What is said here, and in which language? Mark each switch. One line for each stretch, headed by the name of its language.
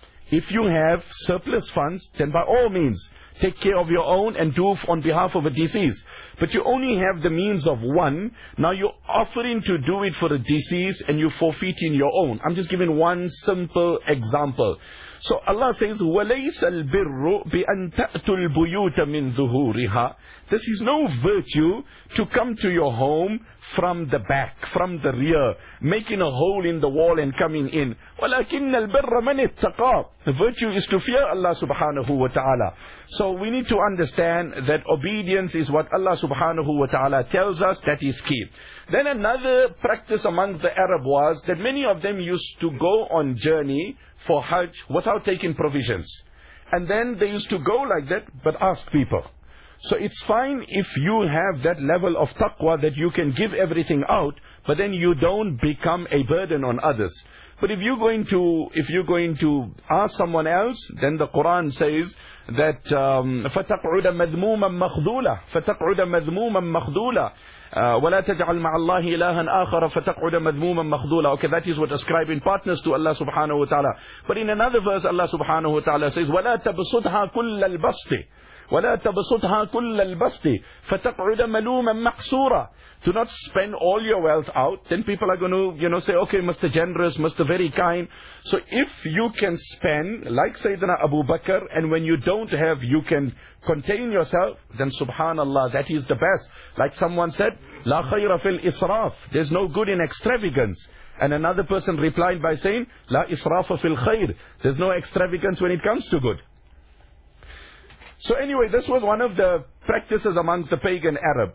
English: if you have surplus funds, then by all means, take care of your own and do on behalf of a deceased. But you only have the means of one. Now you're offering to do it for a deceased and you're forfeiting your own. I'm just giving one simple example. So Allah says,
Arabic: وَلَيْسَ الْبِرُّ بِأَنْ تَأْتُ الْبُيُوتَ مِنْ ذُهُورِهَا.
English: This is no virtue to come to your home from the back, from the rear, making a hole in the wall and coming in.
Arabic: وَلَكِنَّ الْبِرَّ مَنِ اتَّقَى.
English: The virtue is to fear Allah subhanahu wa ta'ala. So we need to understand that obedience is what Allah subhanahu wa ta'ala tells us, that is key. Then another practice amongst the Arab was that many of them used to go on journey for Hajj without taking provisions. And then they used to go like that, but ask people. So it's fine if you have that level of taqwa that you can give everything out, but then you don't become a burden on others. But if you're going to ask someone else, then the Quran says that
Arabic: فَتَقْعُدَ مَذْمُومًا مَخْذُولًا فَتَقْعُدَ مَذْمُومًا مَخْذُولًا وَلَا تَجْعَلْ مَعَ اللَّهِ إِلَهًا آخَرَ فَتَقْعُدَ مَذْمُومًا مَخْذُولًا.
English: Okay, that is what ascribing partners to Allah subhanahu wa ta'ala. But in another verse, Allah subhanahu wa ta'ala says
Arabic: وَلَا تَبْسُطْهَا كُلَّ الْبَسْطِ وَلَا تَبْسُطْهَا كُلَّ الْبَسْطِ فَتَقْعُدَ مَلُومًا مَقْصُورًا.
English: Do not spend all your wealth out. Then people are going to, you know, say, okay, Mr. Generous, Mr. Very Kind. So if you can spend, like Sayyidina Abu Bakr, and when you don't have, you can contain yourself, then subhanallah, that is the best. Like someone said,
Arabic: لَا خَيْرَ فِي الْإِسْرَافِ.
English: There's no good in extravagance. And another person replied by saying,
Arabic: لَا إِسْرَافَ فِي الْخَيْرِ.
English: There's no extravagance when it comes to good. So anyway, this was one of the practices amongst the pagan Arab.